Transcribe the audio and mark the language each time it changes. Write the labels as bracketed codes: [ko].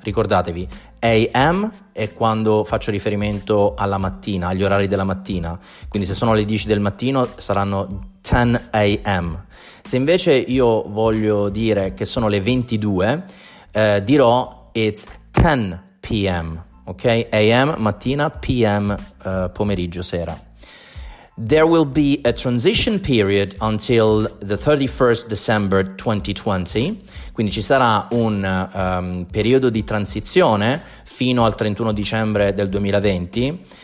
[it] Ricordatevi, a.m. è quando faccio riferimento alla mattina, agli orari della mattina. Quindi se sono le 10 del mattino saranno 10 a.m. Se invece io voglio dire che sono le 22, dirò [en] it's 10 p.m. [it] Ok? A.m. mattina, p.m. Pomeriggio, sera. [en] There will be a transition period until the 31st December 2020. [it] Quindi ci sarà un periodo di transizione fino al 31 dicembre del 2020.